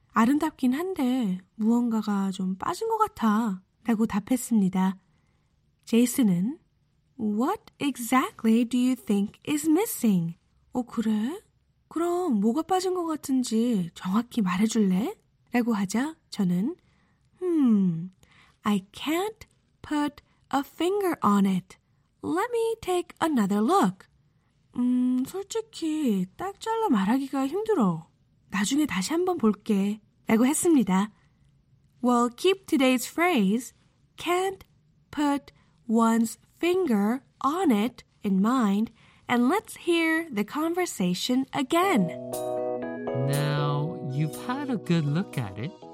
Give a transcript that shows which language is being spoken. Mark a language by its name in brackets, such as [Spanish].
[Korean] 아름답긴 한데 무언가가 좀 빠진 것 같아 라고 답했습니다. 제이슨은 [English] What exactly do you think is missing? [Korean] 어 그래? 그럼 뭐가 빠진 것 같은지 정확히 말해줄래? 라고 하자 저는 [English] I can't put a finger on it. Let me take another look. [Korean] 솔직히 딱 잘라 말하기가 힘들어. 나중에 다시 한번 볼게. 라고 했습니다. [English] Well, keep today's phrase, can't put one's finger on it in mind, and let's hear the conversation again. Now, you've had a good look at it.